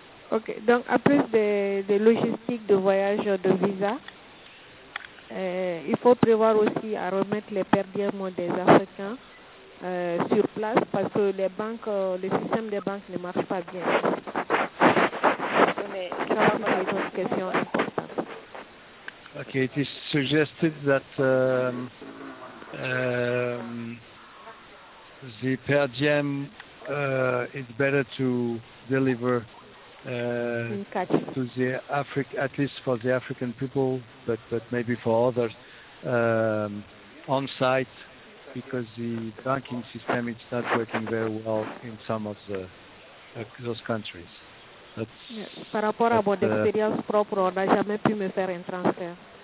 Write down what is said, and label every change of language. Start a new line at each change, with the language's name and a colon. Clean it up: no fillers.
French: Ok, donc à plus des logistiques de voyage, de visa, il faut prévoir aussi à remettre les perdièrements des Africains sur place parce que les banques, le système des banques ne marche pas bien. Mais ça, c'est une autre question importante.
English: Ok, it is suggested that the perdièmes, it's better to deliver to the Africa, at least for the African people, but maybe for others on site, because the banking system is not working very well in some of the those countries.
French: Par rapport à mon expérience propre, on n'a jamais pu me faire un transfert.